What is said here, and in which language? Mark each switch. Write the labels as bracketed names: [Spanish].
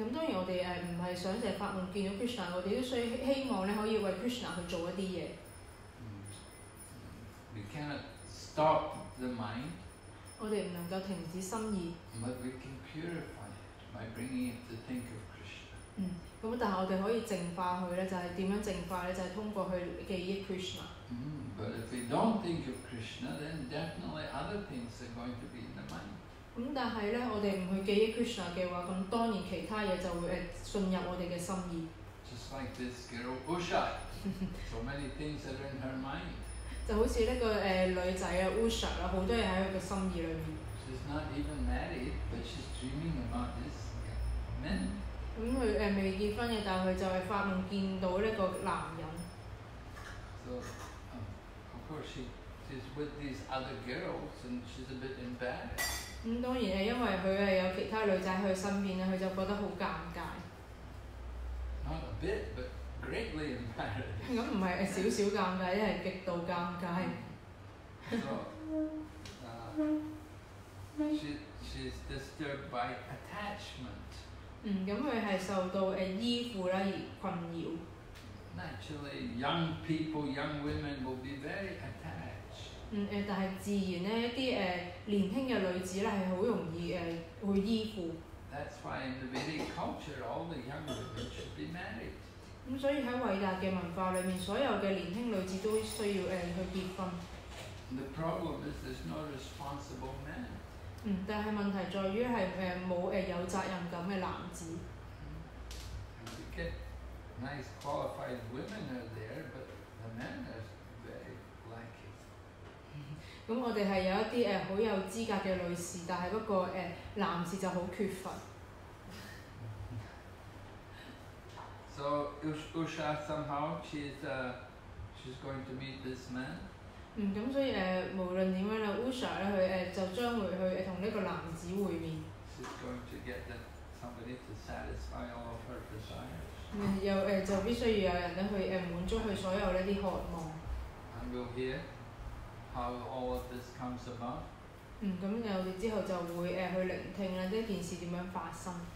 [Cantonese] 咁當然我哋唔係想淨係發夢見到 Krishna， 我哋都需希望咧可以為 Krishna 去做一啲嘢。 [English] We cannot stop the mind。 [Cantonese] 我哋唔能夠停止心意。 [English] But we can purify it by bringing it to think of Krishna。 [Cantonese] 咁但係我哋可以淨化佢咧，就係點樣淨化咧？就係通過去記憶 Krishna。 [English] But if we don't think of Krishna, then definitely other things are going to be in the mind。 [Cantonese] 咁但係咧，我哋唔去記憶 Krishna 嘅話，咁當然其他嘢就會進入我哋嘅心意。 [English] Just like this girl Usha, so many things are in her mind。 [Cantonese] 就好似呢個女仔啊 Usha 啦，好多嘢喺佢嘅心意裏面。 [English] She's not even married, but she's dreaming about this man。 [Cantonese] 咁佢未結婚嘅，但係佢就係發夢見到呢個男人。 [English] So, of course, she's with these other girls, and she's a bit embarrassed. [Cantonese] 當然係因為佢係有其他女仔喺佢身邊啦，佢就覺得好尷尬。 [English] Not a bit, but greatly embarrassed. [Cantonese] 咁唔係少少尷尬，一係極度尷尬。 [English] So, she's disturbed by attachment. [Cantonese] 咁佢係受到依附啦而困擾。 [English] Naturally, young people, young women will be very attached。 [Cantonese] 但係自然咧，啲年輕嘅女子咧係好容易會依附。 [English] That's why in the Vedic culture, all the young women should be married。 [Cantonese] 所以喺偉大嘅文化裏面，所有嘅年輕女子都需要去結婚。 [English] The problem is there's no responsible man。 [Cantonese] 但係問題在於係冇有責任感嘅男子。 [English] You get nice qualified women are there, but the men are very lacking。 [Cantonese] 咁我哋係有一啲好有資格嘅女士，但係不過男士就好缺乏。 [English] So Usha somehow she's going to meet this man。 [Cantonese] 咁所以無論點樣啦 ，Usha 咧，佢就將會去同呢個男子會面。 [English] She's going to get somebody to satisfy all of her desires。 [Cantonese] 又就必須要有人咧去滿足佢所有呢啲渴望。 [English] And we'll hear how all of this comes about。 [Cantonese] 咁我哋之後就會去聆聽啦，呢件事點樣發生。